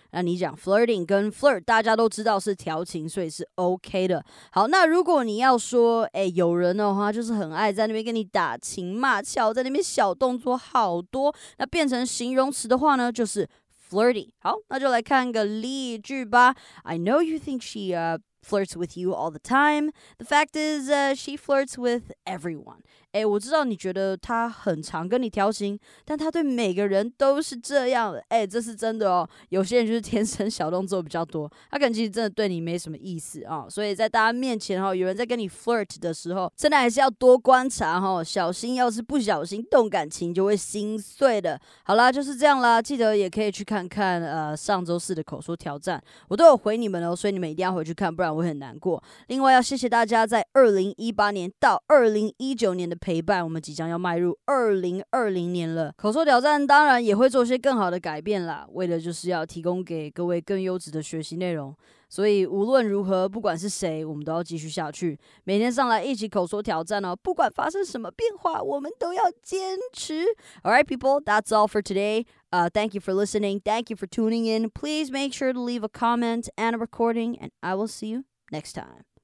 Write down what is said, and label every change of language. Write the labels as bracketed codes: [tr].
[zh] 那你讲 flirting 跟 flirt, 大家都知道是调情，所以是 OK 的。好，那如果你要说欸有人的话就是很爱在那边跟你打情骂俏，在那边小动作好多，那变成形容词的话呢就是 flirty。好，那就来看个例句吧。 [en] I know you think she, flirts with you all the time. The fact is, she flirts with everyone. [zh] 欸，我知道你觉得她很常跟你调情，但她对每个人都是这样的。欸，这是真的哦。有些人就是天生小动作比较多，她可能其实真的对你没什么意思啊。所以在大家面前哦，有人在跟你 flirt 的时候，真的还是要多观察哦，小心，要是不小心动感情就会心碎的。好啦，就是这样啦，记得也可以去看看上周四的口说挑战，我都有回你们哦，所以你们一定要回去看，不然我很难过。另外要谢谢大家在2018年到2019年的陪伴，我们即将要迈入2020年了。口说挑战当然也会做些更好的改变啦，为的就是要提供给各位更优质的学习内容。所以无论如何，不管是谁，我们都要继续下去，每天上来一起口说挑战哦。不管发生什么变化，我们都要坚持。 [en] Alright people, that's all for today. Thank you for listening. Thank you for tuning in. Please make sure to leave a comment and a recording, and I will see you next time.